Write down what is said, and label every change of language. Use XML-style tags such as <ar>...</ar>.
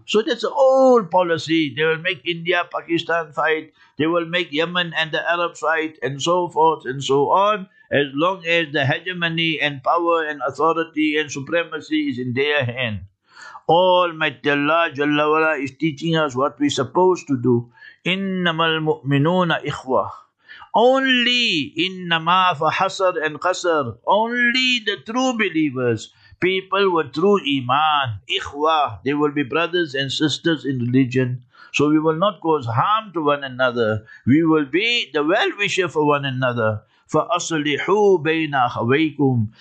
<en>So that's an old policy. They will make India, Pakistan fight, they will make Yemen and the Arabs fight, and so forth and so on. As long as the hegemony and power and authority and supremacy is in their hand. Almighty Allah Jalla Wala is teaching us what we're supposed to do.</en> <ar>إِنَّمَا الْمُؤْمِنُونَ إِخْوَةٌ.</ar> <en>Only</en> <ar>إِنَّمَا فَحَصَرْ أَنْ قَصَرْ.</ar> <en>Only the true believers, people with true iman, إِخْوَة, they will be brothers and sisters in religion. So we will not cause harm to one another. We will be the well-wisher for one another.</en> <ar>فَأَصْلِحُوا بَيْنَ أَخَوَيْكُمْ.</ar>